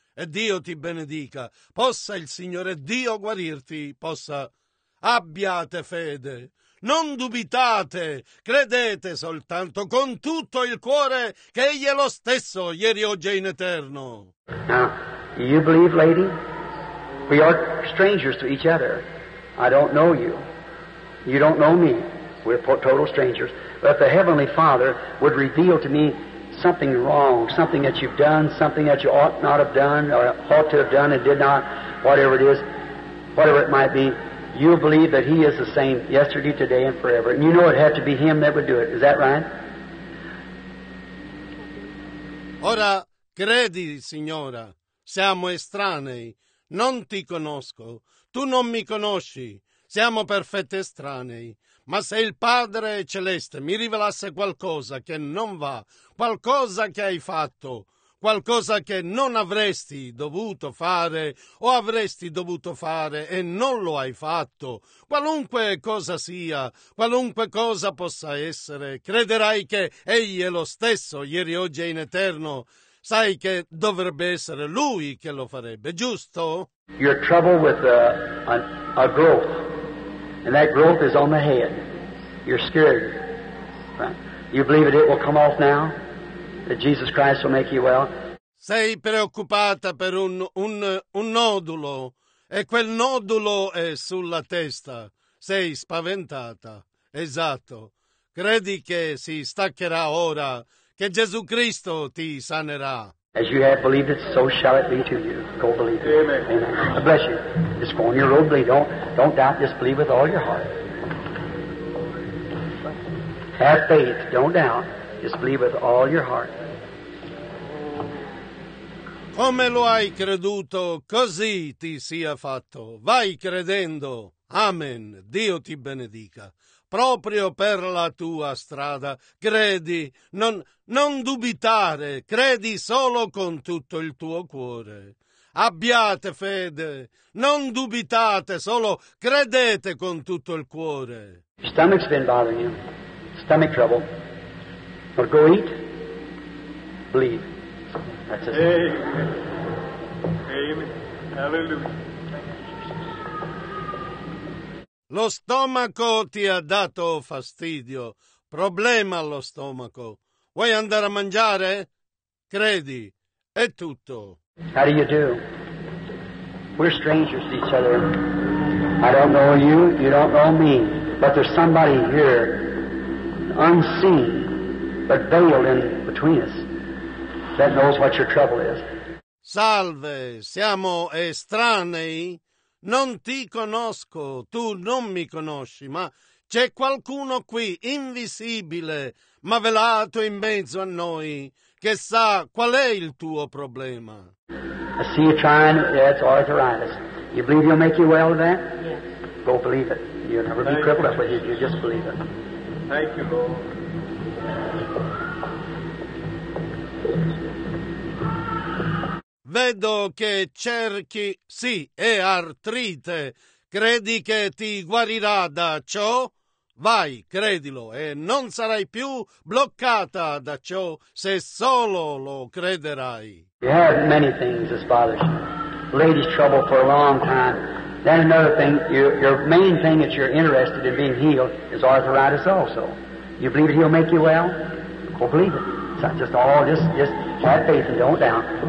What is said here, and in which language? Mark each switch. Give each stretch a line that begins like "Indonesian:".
Italian: E Dio ti benedica, possa il Signore Dio guarirti, possa. Abbiate fede, non dubitate, credete soltanto con tutto il cuore che Egli è lo stesso, ieri, oggi e in eterno.
English: Now, do you believe, lady? We are strangers to each other. I don't know you. You don't know me. We're total strangers. But the Heavenly Father would reveal to me something wrong, something that you've done, something that you ought not have done, or ought to have done and did not, whatever it is, whatever it might be, you believe that He is the same yesterday, today, and forever. And you know it had to be Him that would do it. Is that right?
Italian: Ora, credi, Signora, siamo estranei. Non ti conosco. Tu non mi conosci. Siamo perfetti estranei. Ma se il Padre Celeste mi rivelasse qualcosa che non va, qualcosa che hai fatto, qualcosa che non avresti dovuto fare o avresti dovuto fare e non lo hai fatto, qualunque cosa sia, qualunque cosa possa essere, crederai che Egli è lo stesso, ieri, oggi e in eterno. Sai che dovrebbe essere Lui che lo farebbe, giusto?
English: Your trouble with a growth. And that growth is on the head. You're scared. Right? You believe it will come off now? That Jesus Christ will make you well?
Italian: Sei preoccupata per un nodulo. E quel nodulo è sulla testa. Sei spaventata. Esatto. Credi che si staccherà ora, che Gesù Cristo ti sanerà.
English: As you have believed it, so shall it be to you. Go believe it. Amen. Amen. I bless you. Just go on your road, believe. Don't doubt, just believe with all your heart. Have faith, don't doubt, just believe with all your heart.
Italian: Come lo hai creduto, così ti sia fatto. Vai credendo. Amen. Dio ti benedica. Proprio per la tua strada, credi, non dubitare, credi solo con tutto il tuo cuore. abbiate fede, non dubitate, solo credete con tutto il cuore.
English: Your stomach's been bothering you, stomach trouble. Or go eat, believe. That's it. Amen. Hallelujah.
Italian: Lo stomaco ti ha dato fastidio, problema allo stomaco. Vuoi andare a mangiare? Credi, è tutto.
English: How do you do? We're strangers to each other. I don't know you, you don't know me, but there's somebody here, unseen, but veiled in between us, that knows what your trouble is.
Italian: Salve, siamo estranei? Non ti conosco, tu non mi conosci, ma c'è qualcuno qui, invisibile, ma velato in mezzo a noi, che sa qual è il tuo problema.
English: I see you trying, it's arthritis. You believe you'll make you well of that? Yes. Go believe it. You'll never be crippled up with it, you just believe it. Thank you, Lord.
Italian: Vedo che cerchi, sì, è artrite. Credi che ti guarirà da ciò? Vai, credilo, e non sarai più bloccata da ciò se solo lo crederai.
English: You have many things that bothers you. Lady's trouble for a long time. Then another thing, your main thing that you're interested in being healed is arthritis also. You believe it, he'll make you well? Go believe it. So just all, just have faith and don't doubt.